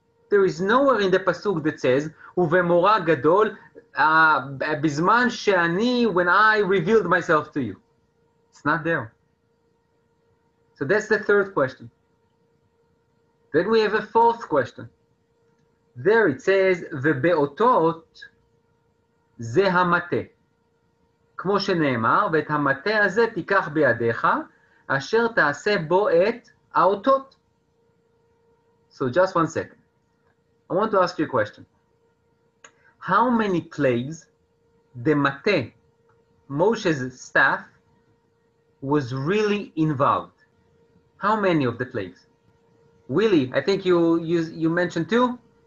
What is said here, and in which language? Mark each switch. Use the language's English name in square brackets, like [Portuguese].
[English] There is nowhere in the Pasuk that says, [Hebrew] Uvemura Gadol, Bizman She'ani, [English] when I revealed myself to you. It's not there. So that's the third question. Then we have a fourth question. There it says, [Hebrew] Vebeotot, זה המתה, כמו שנאמר, ואת המתה הזה תיקח בידיך, אשר תעשה בו את האותות. [English] So just one second. I want to ask you a question. How many plagues the מתה, Moshe's staff, was really involved? How many of the plagues? Willie, I think you mentioned two?